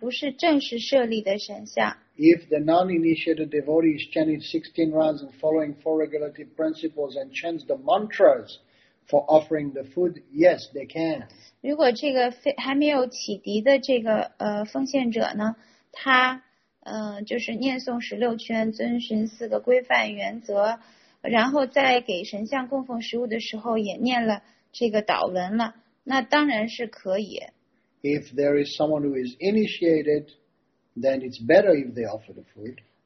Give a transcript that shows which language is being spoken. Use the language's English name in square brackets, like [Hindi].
[English] If the non-initiated devotee is chanting 16 rounds and following four regulative principles and chants the mantras for offering the food, yes, they can. [Chinese] 如果这个还没有启迪的这个奉献者呢，他就是念诵十六圈遵循四个规范原则，然后再给神像供奉食物的时候也念了这个祷文了，那当然是可以。 [English] If there is someone who is initiated, then it's better if they offer the food.